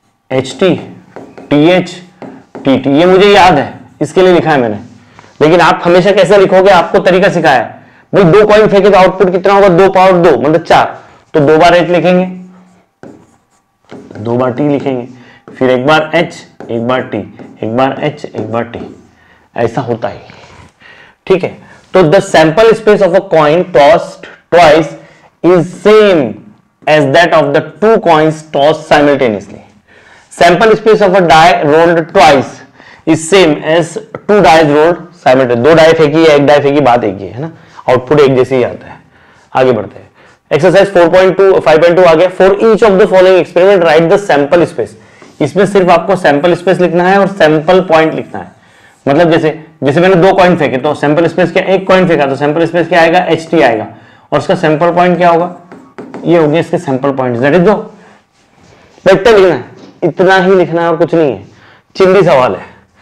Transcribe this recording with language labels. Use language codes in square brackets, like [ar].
[hi] HT TH TT, ये मुझे याद है इसके लिए लिखा है मैंने, लेकिन आप हमेशा कैसे लिखोगे, आपको तरीका सिखाया भाई, दो कॉइन फेंके तो आउटपुट कितना होगा, 2 पावर 2 मतलब 4, तो दो बार H लिखेंगे, दो बार T लिखेंगे, फिर एक बार H एक बार T, एक बार H एक बार T, ऐसा होता ही, ठीक है। [en] तो the sample space of a coin tossed twice is same as that of the two coins tossed simultaneously. Sample space of a die rolled twice is same as two dice rolled simultaneously. [hi] दो die फेंकी, एक die फेंकी, बात एक ही है ना, output एक जैसे ही आता [en] है। [hi] आगे बढ़ते हैं, एक्सरसाइज 4.2 5.2 आ गया, [en] for each of the following experiment write the sample space, [hi] इसमें सिर्फ आपको सैंपल स्पेस लिखना है और सैंपल पॉइंट लिखना है, मतलब जैसे जैसे मैंने दो कॉइन फेंके तो सैंपल स्पेस क्या, एक कॉइन फेंका तो सैंपल स्पेस क्या आएगा, एच टी आएगा, और इसका सैंपल पॉइंट क्या होगा, ये होंगे इसके sample points, that is all, इतना लिखना है, इतना ही लिखना है और कुछ नहीं है, चिंदी सवाल है।